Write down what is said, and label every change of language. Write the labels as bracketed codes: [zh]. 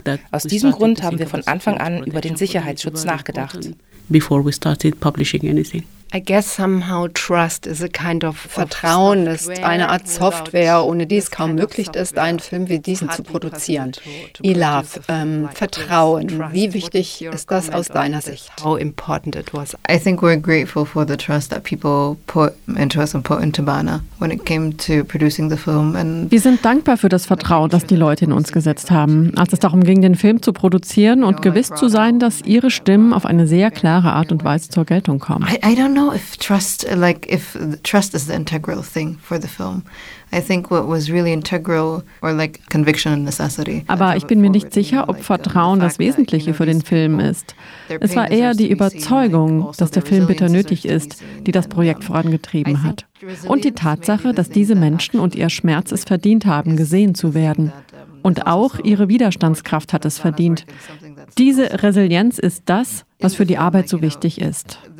[de] Aus diesem Grund haben wir von Anfang an über den Sicherheitsschutz nachgedacht. [en] Before we started publishing anything. I guess somehow trust is a kind of [de] Vertrauen ist eine Art Software, ohne die es kaum möglich ist, einen Film wie diesen zu produzieren. Ilav, Vertrauen, wie wichtig ist das aus deiner Sicht? [en] How important it was. I think we're grateful for the trust that people put into us and put into Bana when it came to producing the film. And [de] wir sind dankbar für das Vertrauen, das die Leute in uns gesetzt haben, als es darum ging, den Film zu produzieren und gewiss zu sein, dass ihre Stimmen auf eine sehr klare Art und Weise zur Geltung kommen. [en] I don't know if trust, like if trust is the integral thing for the film. I think what was really integral or like conviction and necessity. [de] Aber ich bin mir nicht sicher, ob Vertrauen das Wesentliche für den Film ist. Es war eher die Überzeugung, dass der Film bitter nötig ist, die das Projekt vorangetrieben hat. Und die Tatsache, dass diese Menschen und ihr Schmerz es verdient haben, gesehen zu werden. Und auch ihre Widerstandskraft hat es verdient. Diese Resilienz ist das, was für die Arbeit so wichtig ist.